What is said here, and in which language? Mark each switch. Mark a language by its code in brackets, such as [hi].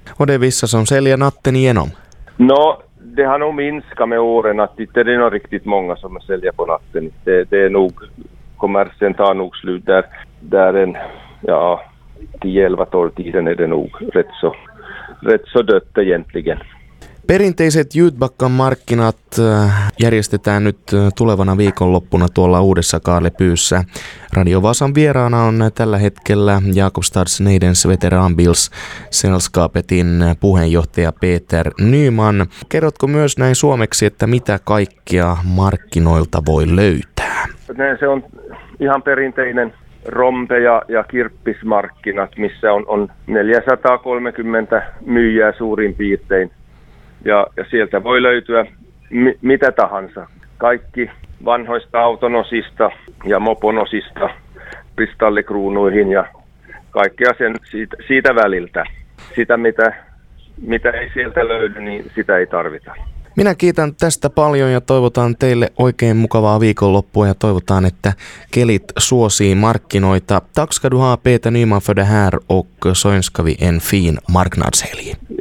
[sv] Och det är vissa som säljer natten igenom? Det har nog minskat med åren, att det är nog riktigt många som säljer på natten. Det är nog, kommersen tar nog slut där en, ja, 10-12 tiden är det nog rätt så dött egentligen. [fi] Perinteiset Jytbackan markkinat järjestetään nyt tulevana viikonloppuna tuolla Uudessa Kaalepyyssä. Radio Vaasan vieraana on tällä hetkellä Jakob Stadsneidens Veteran Bills Selskapetin puheenjohtaja Peter Nyman. Kerrotko myös näin suomeksi, että mitä kaikkea markkinoilta voi löytää? Se on ihan perinteinen rompe- ja kirppismarkkinat, missä on 430 myyjää suurin piirtein. Ja sieltä voi löytyä mitä tahansa. Kaikki vanhoista autonosista ja moponosista kristallikruunuihin ja kaikkea sen siitä väliltä. Sitä, mitä ei sieltä löydy, niin sitä ei tarvita. Minä kiitän tästä paljon ja toivotan teille oikein mukavaa viikonloppua ja toivotan, että kelit suosii markkinoita. [sv] Tack ska du ha, Peter Nyman, för det här och så önskar vi en fin marknadshelg.